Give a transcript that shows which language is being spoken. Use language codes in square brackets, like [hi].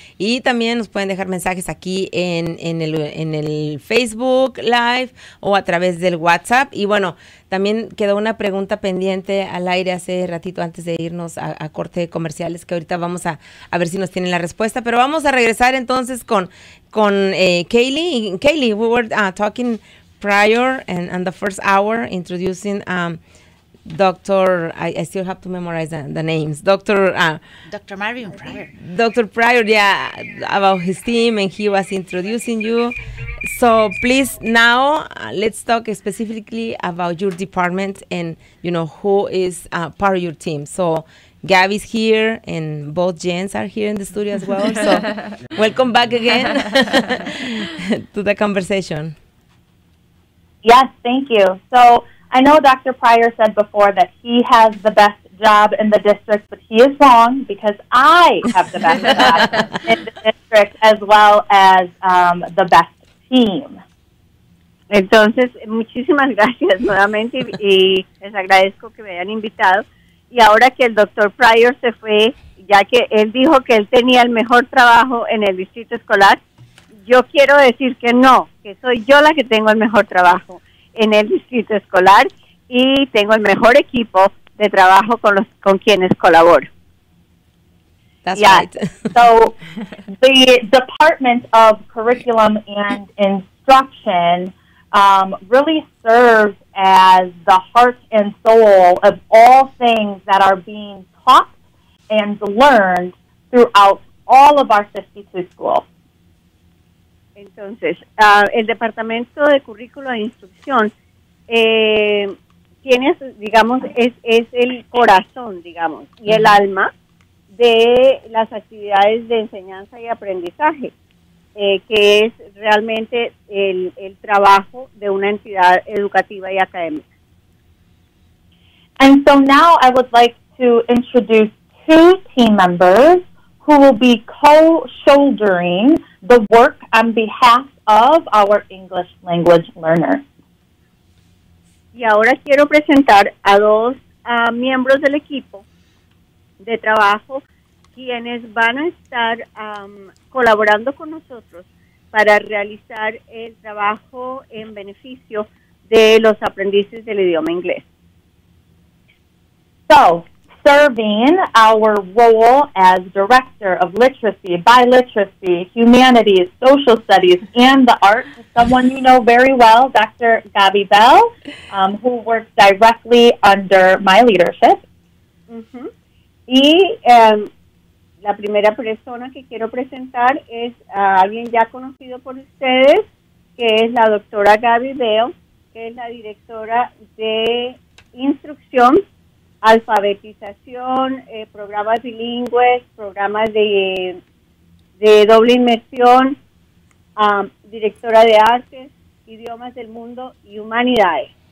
[es] Y también nos pueden dejar mensajes aquí en el Facebook Live o a través del WhatsApp. Y bueno, también quedó una pregunta pendiente al aire hace ratito antes de irnos a corte de comerciales, que ahorita vamos a ver si nos tienen la respuesta. Pero vamos a regresar entonces con Kaylee. [en] Kaylee, we were talking prior and on the first hour introducing Dr. I still have to memorize the names. Dr. Marvin Pryor. Dr. Pryor, yeah, about his team, and he was introducing you. So please now let's talk specifically about your department and, you know, who is part of your team. So Gabby's here and both Jens are here in the studio as well. So welcome back again to the conversation. Yes, thank you. So I know Dr. Pryor said before that he has the best job in the district, but he is wrong because I have the best job in the district as well as the best team. [es] Entonces, muchísimas gracias nuevamente y les agradezco que me hayan invitado. Y ahora que el Dr. Pryor se fue, ya que él dijo que él tenía el mejor trabajo en el distrito escolar, yo quiero decir que no, que soy yo la que tengo el mejor trabajo en el distrito escolar y tengo el mejor equipo de trabajo con quienes colaboro. [en] That's right. So the Department of Curriculum and Instruction really serves as the heart and soul of all things that are being taught and learned throughout all of our 52 schools. [es] Entonces, el Departamento de Currículo e Instrucción tiene, digamos, es el corazón, digamos, y el alma de las actividades de enseñanza y aprendizaje, que es realmente el trabajo de una entidad educativa y académica. [en] And so now I would like to introduce two team members who will be co-shouldering the work on behalf of our English language learners. [es] Y ahora quiero presentar a dos miembros del equipo de trabajo quienes van a estar colaborando con nosotros para realizar el trabajo en beneficio de los aprendices del idioma inglés. [en] So, serving our role as Director of Literacy, Biliteracy, Humanities, Social Studies, and the Arts, someone you know very well, Dr. Gabby Bell, who works directly under my leadership. [es] Mm-hmm. Y la primera persona que quiero presentar es alguien ya conocido por ustedes, que es la doctora Gabby Bell, que es la directora de Instrucción, Alfabetización, programas bilingües, programas de doble inmersión, directora de artes, idiomas del mundo y humanidades.